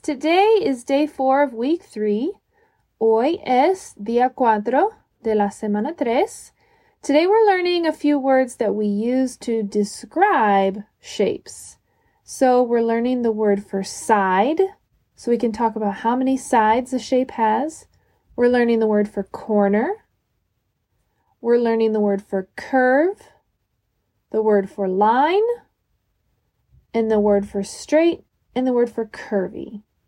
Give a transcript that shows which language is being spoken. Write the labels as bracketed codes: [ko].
[en] Today is day four of week three. [es] Hoy es día cuatro de la semana tres. [en] Today we're learning a few words that we use to describe shapes. So we're learning the word for side, so we can talk about how many sides a shape has. We're learning the word for corner. We're learning the word for curve, the word for line, and the word for straight, and the word for curvy.